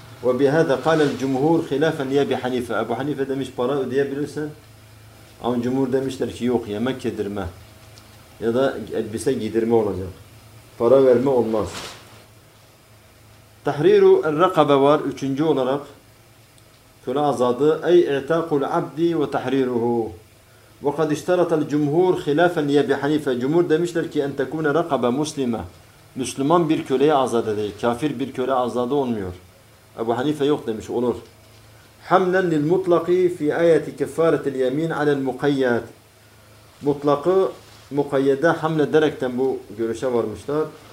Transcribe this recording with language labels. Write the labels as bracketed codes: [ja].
[ar] Ve bihâzâ kâle cumhur hilâfen liye bi Hanife. [tr] Ebu Hanife demiş para ödeyebilirsen, ama cumhur demişler ki yok, yemek yedirme ya da elbise giydirme olacak. Para verme olmaz. Tahriru el-rakabe var. Üçüncü olarak köle azadı. [ar] Ey i'taqul abdi ve tahriruhu. وقد اشترط الجمهور خلافا لأبي حنيفة. [tr] جمهور demişler ki [ar] en tekune rakabe muslime. [tr] Müslüman bir köleye azad edecek. Kafir bir köle azadı olmuyor. Ebu Hanife yok demiş, olur. [ar] Hamlen lil mutlaki fi ayeti kefaretil yemin alel mukayyed. [tr] Mutlakı mukayyede hamle ederekten bu görüşe varmışlar.